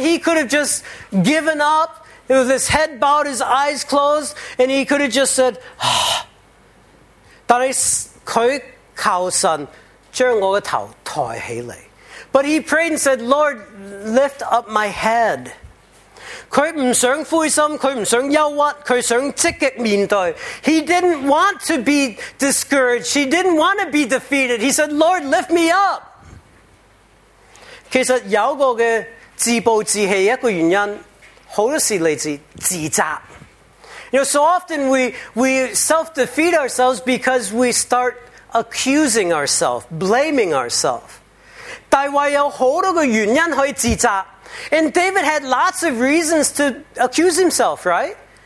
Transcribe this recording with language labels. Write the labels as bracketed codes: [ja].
[en] he could have just given up with his head bowed, his eyes closed, and he could have just said, ah. [zh] 但是他求神。 [en] But he prayed and said, Lord, lift up my head. [zh] 他不想灰心,他不想憂鬱,他想積極面對。 [en] He didn't want to be discouraged. He didn't want to be defeated. He said, Lord, lift me up. [zh] 其實有一個自暴自棄的一個原因,很多時來自自責。 [en] You know, so often we self-defeat ourselves because we start accusing ourselves, blaming ourselves. And David had lots of reasons to accuse himself, right?